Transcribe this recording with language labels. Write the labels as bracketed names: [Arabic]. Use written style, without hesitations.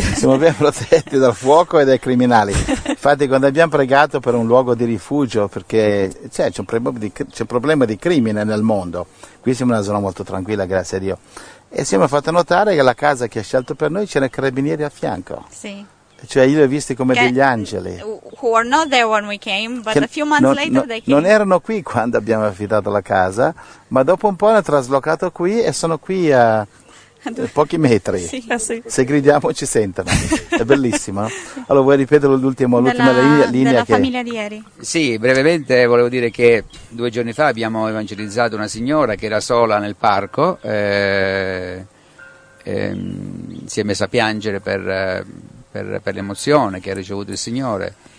[Italian] Siamo ben protetti dal fuoco e dai criminali. Infatti quando abbiamo pregato per un luogo di rifugio, perché c'è un problema di crimine nel mondo, qui siamo in una zona molto tranquilla, grazie a Dio, e siamo fatto notare che la casa che ha scelto per noi c'era i carabinieri a fianco. Sì. Cioè io li ho visti come degli angeli. [English] Who were not there when we came, but a few months later they came. [Italian] Non erano qui quando abbiamo affittato la casa, ma dopo un po' hanno traslocato qui e sono qui a pochi metri. Sì. Sì. Se gridiamo ci sentono, è bellissimo. Allora vuoi ripetere l'ultima linea? Della famiglia di ieri. Sì, brevemente volevo dire che due giorni fa abbiamo evangelizzato una signora che era sola nel parco, si è messa a piangere per l'emozione che ha ricevuto il Signore.